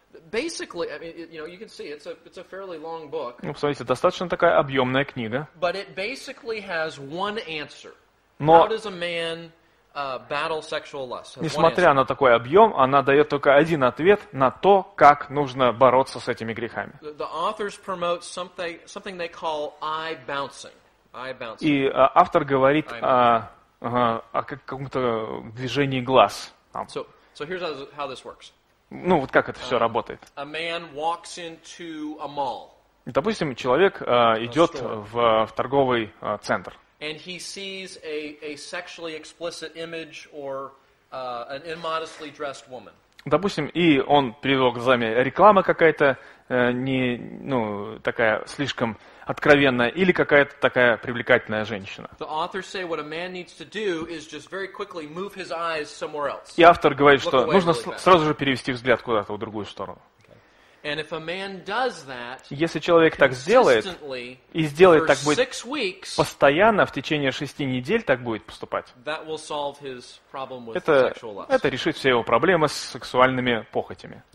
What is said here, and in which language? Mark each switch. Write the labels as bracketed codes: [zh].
[en] Basically, I mean, you know, you can see it's a fairly long book. [ru] Ну, посмотрите, достаточно такая объемная книга. [en] But it basically has one answer. [ru] Но [en] how does a man battle sexual lust? [ru] Несмотря на такой объем, она дает только один ответ на то, как нужно бороться с этими грехами. [en] The authors promote something they call eye bouncing. Eye bouncing. [ru] И автор говорит о каком-то движении глаз. [en] So here's how this works. [ru] Ну, вот как это все работает. [en] A man walks into a mall. [ru] Допустим, человек идет в торговый центр. [en] And he sees a sexually explicit image or an immodestly dressed woman. [ru] Допустим, и он перед его глазами реклама какая-то, такая слишком откровенная, или какая-то такая привлекательная женщина. [en] The authors say what a man needs to do is just very quickly move his eyes somewhere else. [ru] И автор говорит, что нужно сразу же перевести взгляд куда-то в другую сторону. [en] And if a man does that, [ru] если человек так сделает, и сделает так будет постоянно, в течение 6 недель так будет поступать, [en] that will solve his problem with sexual lust. [ru] Это решит все его проблемы с сексуальными похотями.